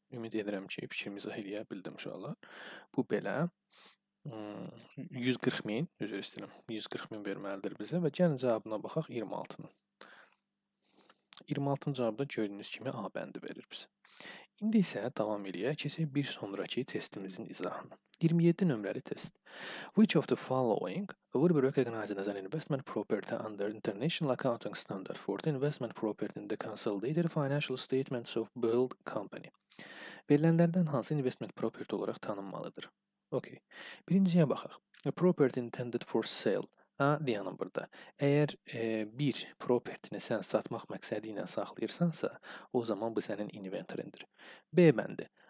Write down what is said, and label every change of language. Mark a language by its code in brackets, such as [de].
[az] Ümid edirəm ki, fikrimizi eləyə bildim uşaqlar. Bu belə 140 min, özür istəyirəm, 140 min verməlidir bizə və gəlin cavabına baxaq 26-nın. 26-cı cavabda gördüyünüz kimi A bəndi verir bizə. İndi isə davam edəyə, keçək bir sonraki testimizin izahını. 27 nömrəli test. [en] Which of the following would be recognized as an investment property under International Accounting Standard for the investment property in the consolidated financial statements of Build Company? [az] Verilənlərdən hansı investment property olaraq tanınmalıdır? [en] Okay. [az] Birinciyə baxaq. [en] A property intended for sale. A [az] deyənim burada. Əgər bir property-ni sən satmaq məqsədi ilə saxlayırsansa, o zaman bu sənin inventory-ndir. B bəndi.